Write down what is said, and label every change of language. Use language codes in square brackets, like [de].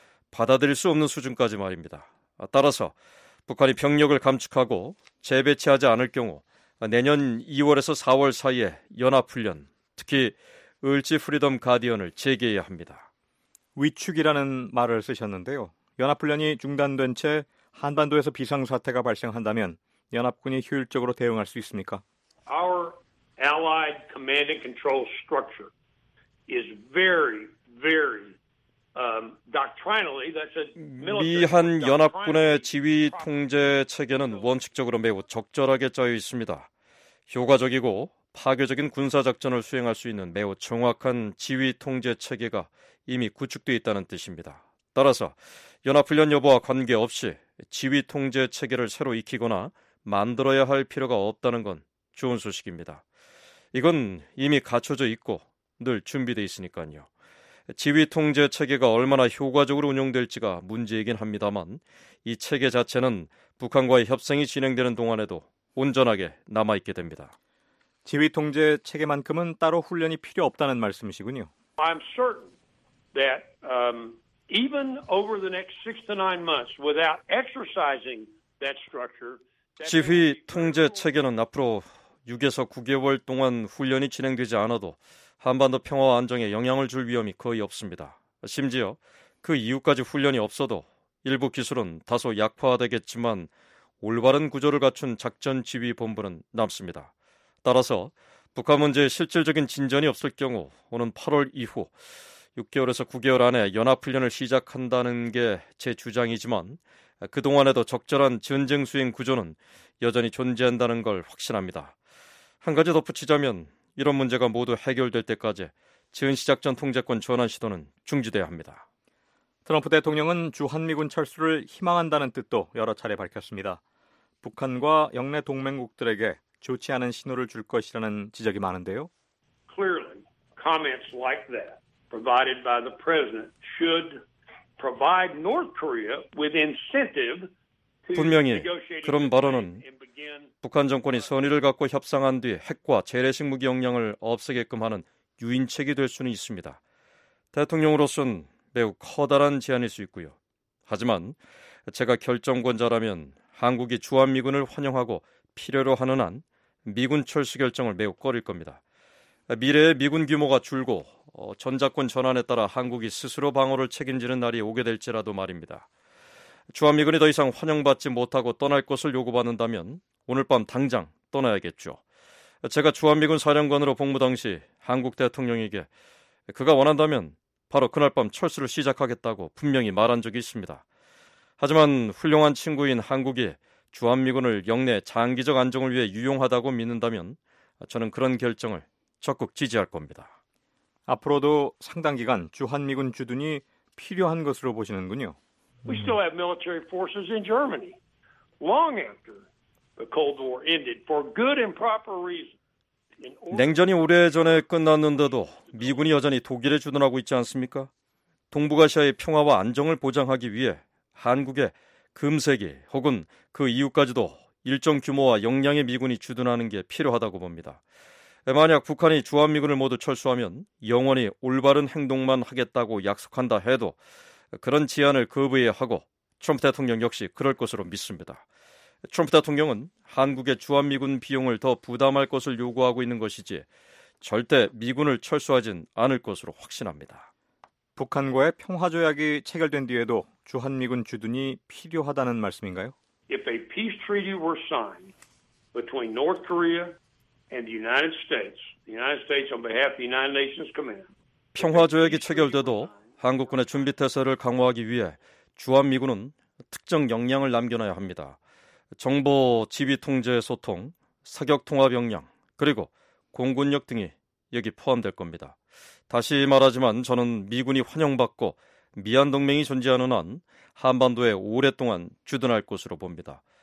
[ko] 받아들일 수 없는 수준까지 말입니다. 따라서 북한이 병력을 감축하고 재배치하지 않을 경우 내년 2월에서 4월 사이에 연합훈련, 특히 을지 프리덤 가디언을 재개해야 합니다. 위축이라는 말을 쓰셨는데요. 연합훈련이 중단된 채 한반도에서 비상사태가 발생한다면 연합군이 효율적으로 대응할 수 있습니까? [en] Our allied command and control structure is very, very doctrinally, that's a military. [ko] 미한 연합군의 지휘 통제 체계는 원칙적으로 매우 적절하게 짜여 있습니다. 효과적이고 파괴적인 군사작전을 수행할 수 있는 매우 정확한 지휘 통제 체계가 이미 구축되어 있다는 뜻입니다. 따라서 연합훈련 여부와 관계없이 지휘 통제 체계를 새로 익히거나 만들어야 할 필요가 없다는 건 좋은 소식입니다. 이건 이미 갖춰져 있고 늘 준비되어 있으니까요. 지휘 통제 체계가 얼마나 효과적으로 운영될지가 문제이긴 합니다만 이 체계 자체는 북한과의 협상이 진행되는 동안에도 온전하게 남아있게 됩니다. 지휘 통제 체계만큼은 따로 훈련이 필요 없다는 말씀이시군요. [en] I'm certain that even over the next 6 to 9 months without exercising that structure, [ko] 지휘 통제 체계는 앞으로 6에서 9개월 동안 훈련이 진행되지 않아도 한반도 평화와 안정에 영향을 줄 위험이 거의 없습니다. 심지어 그 이후까지 훈련이 없어도 일부 기술은 다소 약화되겠지만 올바른 구조를 갖춘 작전 지휘 본부는 남습니다. 따라서 북한 문제에 실질적인 진전이 없을 경우 오는 8월 이후 6개월에서 9개월 안에 연합훈련을 시작한다는 게 제 주장이지만 그동안에도 적절한 전쟁 수행 구조는 여전히 존재한다는 걸 확신합니다. 한 가지 덧붙이자면 이런 문제가 모두 해결될 때까지 즉시작전 통제권 전환 시도는 중지돼야 합니다. 트럼프 대통령은 주한미군 철수를 희망한다는 뜻도 여러 차례 밝혔습니다. 북한과 영내 동맹국들에게 좋지 않은 신호를 줄 것이라는 지적이 많은데요. [en] Clearly, comments like that provided by the president should provide North Korea with incentive. [ko] 분명히 그런 발언은 북한 정권이 선의를 갖고 협상한 뒤 핵과 재래식 무기 역량을 없애게끔 하는 유인책이 될 수는 있습니다. 대통령으로서는 매우 커다란 제안일 수 있고요. 하지만 제가 결정권자라면 한국이 주한미군을 환영하고 필요로 하는 한 미군 철수 결정을 매우 꺼릴 겁니다. 미래의 미군 규모가 줄고 전작권 전환에 따라 한국이 스스로 방어를 책임지는 날이 오게 될지라도 말입니다. 주한미군이 더 이상 환영받지 못하고 떠날 것을 요구받는다면 오늘 밤 당장 떠나야겠죠. 제가 주한미군 사령관으로 복무 당시 한국 대통령에게 그가 원한다면 바로 그날 밤 철수를 시작하겠다고 분명히 말한 적이 있습니다. 하지만 훌륭한 친구인 한국이 주한미군을 영내 장기적 안정을 위해 유용하다고 믿는다면 저는 그런 결정을 적극 지지할 겁니다. 앞으로도 상당 기간 주한미군 주둔이 필요한 것으로 보시는군요. [en] We still have military forces in Germany long after the Cold War ended for good and proper reasons. [ko] 냉전이 오래전에 끝났는데도 미군이 여전히 독일에 주둔하고 있지 않습니까? 동북아시아의 평화와 안정을 보장하기 위해 한국의 금세기 혹은 그 이후까지도 일정 규모와 역량의 미군이 주둔하는 게 필요하다고 봅니다. 만약 북한이 주한미군을 모두 철수하면 영원히 올바른 행동만 하겠다고 약속한다 해도 그런 제안을 거부해야 하고 트럼프 대통령 역시 그럴 것으로 믿습니다. 트럼프 대통령은 한국의 주한미군 비용을 더 부담할 것을 요구하고 있는 것이지 절대 미군을 철수하진 않을 것으로 확신합니다. 북한과의 평화조약이 체결된 뒤에도 주한미군 주둔이 필요하다는 말씀인가요? [en] If a peace treaty were signed between North Korea and the United States on behalf of the United Nations Command. [ko] 평화조약이 체결돼도 한국군의 준비태세를 강화하기 위해 주한미군은 특정 역량을 남겨놔야 합니다. 정보, 지휘 통제 소통, 사격 통합 역량, 그리고 공군력 등이 여기 포함될 겁니다. 다시 말하지만 저는 미군이 환영받고 미한 동맹이 존재하는 한 한반도에 오랫동안 주둔할 것으로 봅니다.